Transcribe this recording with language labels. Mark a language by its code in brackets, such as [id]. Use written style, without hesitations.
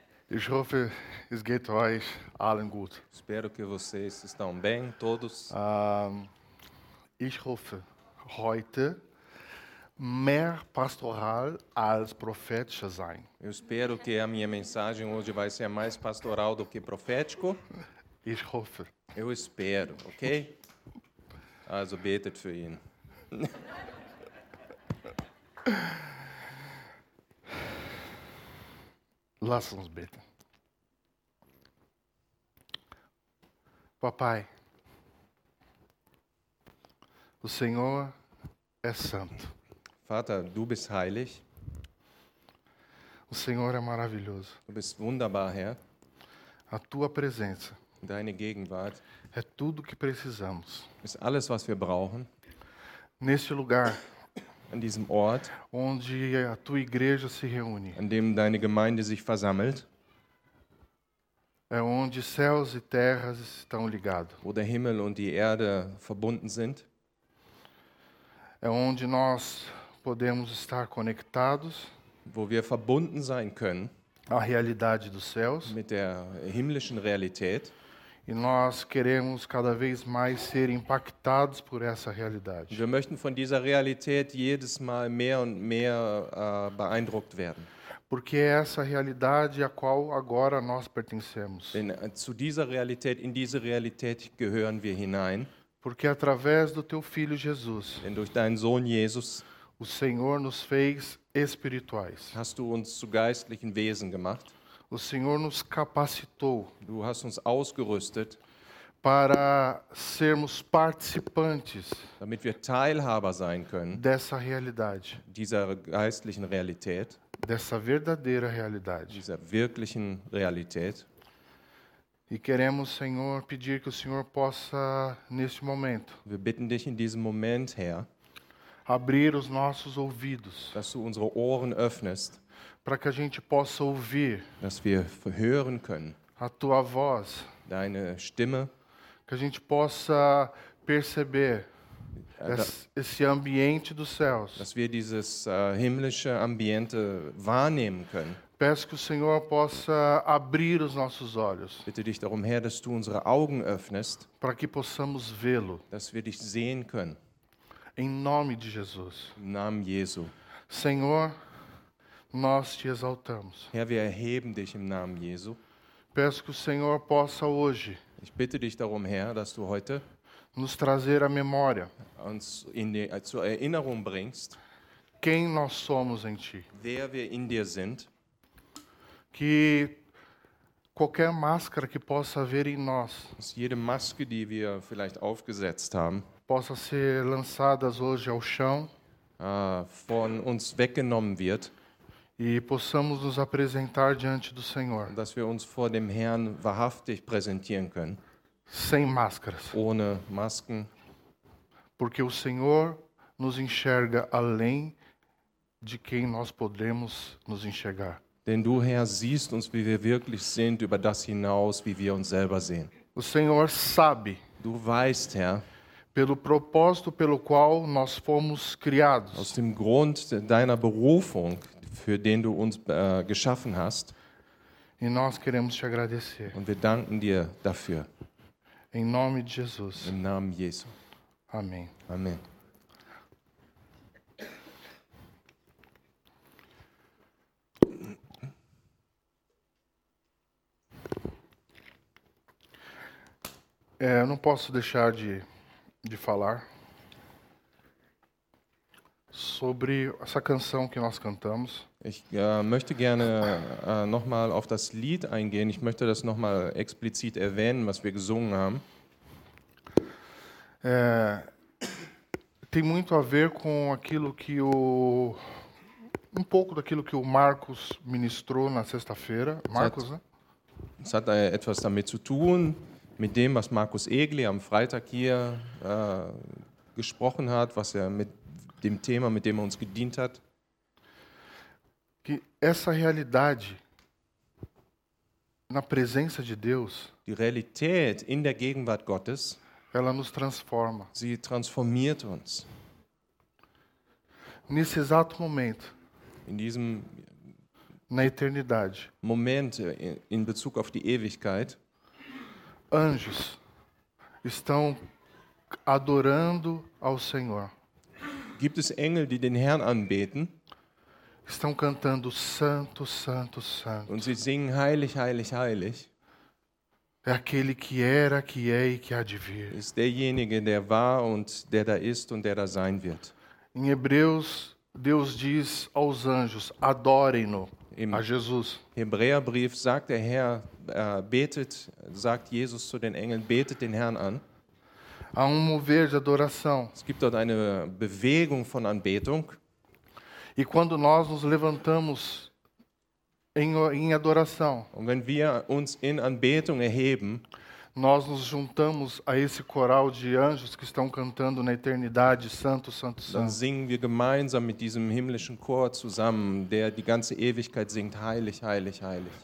[de] Ich hoffe, es geht euch allen gut. [pt] Espero que vocês estão bem, todos. [de] Ich hoffe, heute mehr pastoral als prophetisch sein. [pt] Eu espero que a minha mensagem hoje vai ser mais pastoral do que profético. [de] Ich hoffe. [pt] Eu espero, ok? [de] Also betet für ihn. Lass uns beten. [pt] Papai, o Senhor é santo. [de] Vater, du bist heilig. [pt] O Senhor é maravilhoso. [de] Du bist wunderbar, Herr. [pt] A tua presença. [de] Deine Gegenwart. [pt] É tudo que precisamos. [de] Ist alles, was wir brauchen. [pt] Neste lugar. [de] An diesem Ort. [pt] Onde a tua igreja se reúne. [de] An dem deine Gemeinde sich versammelt. [pt] É onde céus e terras estão ligados. [de] Wo der Himmel und die Erde verbunden sind. [pt] É onde nós podemos estar conectados. [de] Wo wir verbunden sein können. [pt] A realidade dos céus. [de] Mit der himmlischen Realität. [pt] E nós queremos cada vez mais ser impactados por essa realidade. [de] Wir möchten von dieser Realität jedes Mal mehr und mehr beeindruckt werden. [pt] Porque é essa realidade a qual agora nós pertencemos. [de] Denn zu dieser Realität, in diese Realität gehören wir hinein. [pt] Porque através do teu filho Jesus. [de] Denn durch deinen Sohn Jesus. [pt] O Senhor nos fez espirituais. [de] Hast du uns zu geistlichen Wesen gemacht? [pt] O Senhor nos capacitou. [de] Du hast uns ausgerüstet. [pt] Para sermos participantes. [de] Damit wir Teilhaber sein können. [pt] Dessa realidade. [de] Dieser geistlichen Realität. [pt] Dessa verdadeira realidade. [de] Dieser wirklichen Realität. [pt] E queremos, Senhor, pedir que o Senhor possa neste momento. [de] Wir bitten dich in diesem Moment, Herr. [pt] Abrir os nossos ouvidos. [de] Dass du unsere Ohren öffnest. [pt] Para que a gente possa ouvir. [de] Dass wir hören können. [pt] A tua voz. [de] Deine Stimme. [pt] Que a gente possa perceber. Esse ambiente dos céus. [de] Dass wir dieses himmlische Ambiente wahrnehmen können. [pt] Peço que o Senhor possa abrir os nossos olhos. [de] Bitte dich darum, Herr, dass du unsere Augen öffnest. [pt] Para que possamos vê-lo. [de] Dass wir dich sehen können. [pt] Em nome de Jesus. [de] Im Namen Jesu. [pt] Senhor, nós te exaltamos. [de] Herr, wir erheben dich im Namen Jesu. [pt] Peço que o Senhor possa hoje. [de] Ich bitte dich darum, Herr, dass du heute [pt] nos trazer a memória. [de] Uns in die, zur Erinnerung bringst. [pt] Quem nós somos em ti. [de] Wer wir in dir sind. [pt] Que qualquer máscara que possa haver em nós. [de] Dass jede Maske, die wir vielleicht aufgesetzt haben. [pt] Possa ser lançadas hoje ao chão. [de] Von uns weggenommen wird. [pt] E possamos nos apresentar diante do Senhor. [de] Dass wir uns vor dem Herrn wahrhaftig präsentieren können. [pt] Sem máscaras. [de] Ohne Masken. [pt] Porque o Senhor nos enxerga além de quem nós podemos nos enxergar. [de] Denn du, Herr, siehst uns, wie wir wirklich sind, über das hinaus, wie wir uns selber sehen. [pt] O Senhor sabe. [de] Du weißt, Herr. [pt] Pelo propósito pelo qual nós fomos criados. [de] Aus dem Grund deiner Berufung. Für den du uns geschaffen hast. [pt] E nós queremos te agradecer. [de] Und wir danken dir dafür. [pt] Em nome de Jesus. [de] Im Namen Jesu. [pt] Amen. [de] Amen. [pt] Eu não posso deixar de falar sobre essa canção que nós cantamos. [de] Ich möchte gerne nochmal auf das Lied eingehen. Ich möchte das nochmal explizit erwähnen, was wir gesungen haben. [pt] Tem muito a ver com aquilo que o um pouco daquilo que o Marcos ministrou na sexta-feira. Marcos, [de] hat, ne? Es hat etwas damit zu tun mit dem, was Markus Egli am Freitag hier gesprochen hat, was er mit dem Thema, mit dem er uns gedient hat. [pt] Que essa realidade na presença de Deus, [de] die Realität in der Gegenwart Gottes, [pt] Ela nos transforma. [de] Sie transformiert uns. [pt] Nesse exato momento. [de] In diesem [pt] na eternidade. [de] Moment in Bezug auf die Ewigkeit. [pt] Anjos estão adorando ao Senhor. [de] Gibt es Engel, die den Herrn anbeten? [pt] Estão cantando santo, santo, santo. [de] Und sie singen heilig, heilig, heilig. [pt] É aquele que era, que é e que há de vir. [de] Ist derjenige, der war und der da ist und der da sein wird. [pt] Em Hebreus, Deus diz aos anjos, adorem-no, a Jesus. [de] Im Hebräerbrief sagt der Herr, betet, sagt Jesus zu den Engeln, betet den Herrn an. [pt] Há um mover de adoração. [de] Es gibt dort eine Bewegung von Anbetung. [pt] E quando nós nos levantamos em adoração, [de] und wenn wir uns in Anbetung erheben, [pt] nós nos juntamos a esse coral de anjos que estão cantando na eternidade, santo, santo, santo. [de] Dann singen wir gemeinsam mit diesem himmlischen Chor zusammen, der die ganze Ewigkeit singt, heilig, heilig, heilig.